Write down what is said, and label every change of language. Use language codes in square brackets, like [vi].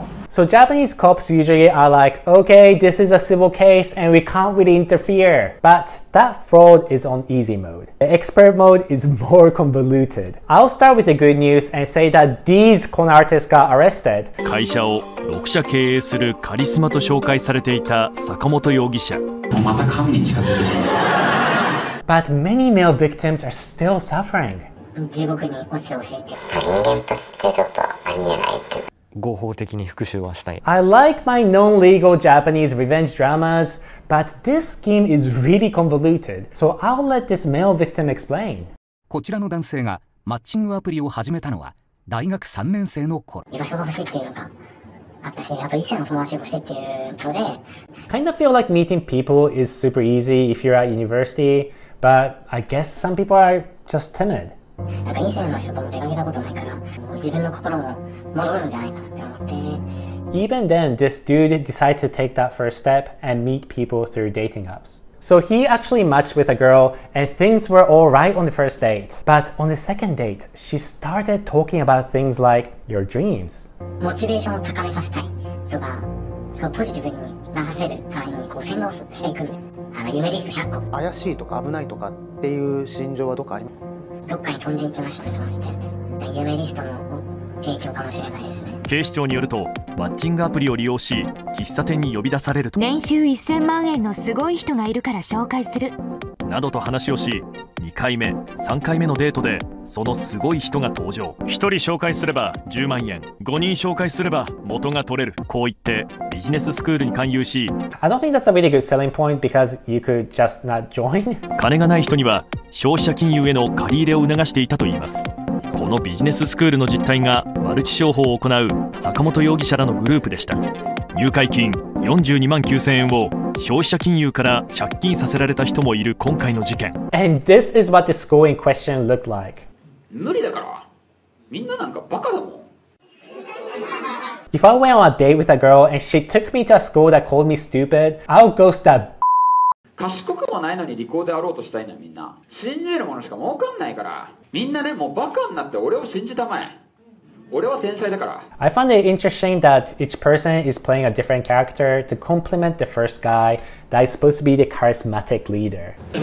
[en] So Japanese cops usually are like, okay, this is a civil case and we can't really interfere. But that fraud is on easy mode. The expert mode is more convoluted. I'll start with the good news and say that these con artists got arrested. [ja] 会社を6社経営するカリスマと紹介されていた坂本容疑者。また神に近づいてしまった。 [en] But many male victims are still suffering. [ja] 地獄に落ちてほしいって。人間としてちょっとありえないって。合法的に復讐はしたい。 [en] I like my non-legal Japanese revenge dramas, but this scheme is really convoluted. So I'll let this male victim explain. [ja] こちらの男性がマッチングアプリを始めたのは大学3年生の頃。居場所が欲しいっていうのか。 [en] Kind of feel like meeting people is super easy if you're at university, but I guess some people are just timid. Even then, this dude decided to take that first step and meet people through dating apps. So he actually matched with a girl and things were all right on the first date. But on the second date, she started talking about things like your dreams. [ja] モチベーションを高めさせたいとか、そのポジティブに流せるためにこう洗脳していくあの夢リスト100個。怪しいとか危ないとかっていう心情はどこかありますか？どっかに飛んでいきましたね、その時点で。夢リストも影響かもしれないですね。警視庁によると、マッチングアプリを利用し、喫茶店に呼び出されると。年収1000万円のすごい人がいるから紹介する。などと話をし、2回目、3回目のデートでそのすごい人が登場。 1人紹介すれば10万円、5人紹介すれば元が取れる。こう言ってビジネススクールに勧誘し、 [en] I don't think that's a really good selling point because you could just not join. [ja] 金がない人には消費者金融への借り入れを促していたといいます。このビジネススクールの実態がマルチ商法を行う坂本容疑者らのグループでした。入会金42万9千円を消費者金融から借金させられた人もいる今回の事件。 [en] And this is what the school in question looked like. [ja] 無理だから。みんななんかバカだもん。 [en] If I went on a date with a girl and she took me to a school that called me stupid, I'll ghost that [ja] 賢くもないのに利口であろうとしたいのみんな。信じるものしか儲かんないから。みんなね、もうバカになって俺を信じたまえ。 [en] I find it interesting that each person is playing a different character to complement the first guy that is supposed to be the charismatic leader.